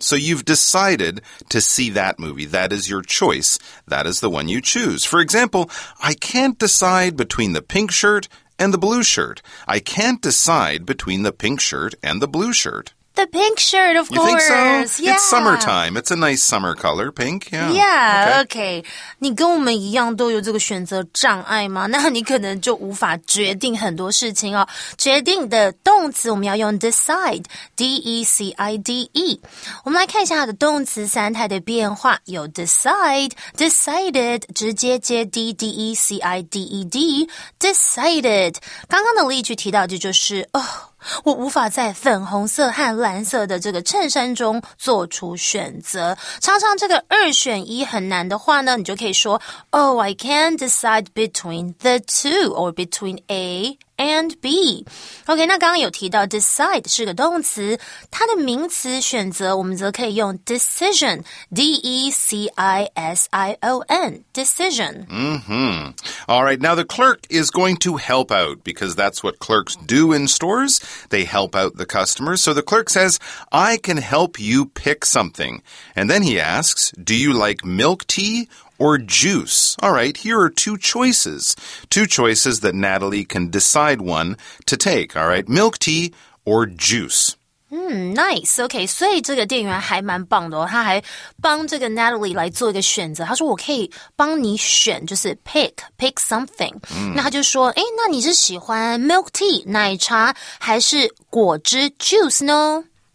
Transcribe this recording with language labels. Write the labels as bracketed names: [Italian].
[English] So you've decided to see that movie. That is your choice. That is the one you choose. For example, I can't decide between the pink shirt and the blue shirt. I can't decide between the pink shirt and the blue shirt. The pink shirt, of course. You think so? Yeah. It's summertime. It's a nice summer color, pink. Yeah. Yeah, okay. [Chinese] 你跟我们一样都有这个选择障碍吗？那你可能就无法决定很多事情哦。决定的动词我们要用 decide, D-E-C-I-D-E。我们来看一下它的动词三态的变化。有 decide, decided, 直接接 D-D-E-C-I-D-E-D, decided。刚刚的例句提到的就是、哦我无法在粉红色和蓝色的这个衬衫中做出选择。常常这个二选一很难的话呢，你就可以说 [English] Oh, I can't decide between the two or between A and B. [Chinese] OK, 那刚刚有提到 decide 是个动词，它的名词选择我们则可以用 decision, D-E-C-I-S-I-O-N, decision. [English] Mm-hmm. All right, now the clerk is going to help out because that's what clerks do in stores. They help out the customers. So the clerk says, I can help you pick something. And then he asks, do you like milk tea or juice? All right, here are two choices that Natalie can decide one to take. All right, milk tea or juice. [Chinese] Nice, OK, 所以这个店员还蛮棒的哦，他还帮这个 Natalie 来做一个选择，他说我可以帮你选，就是 [English] pick something、 [Chinese] 嗯、那他就说诶，那你是喜欢 milk tea, 奶茶还是果汁 juice 呢？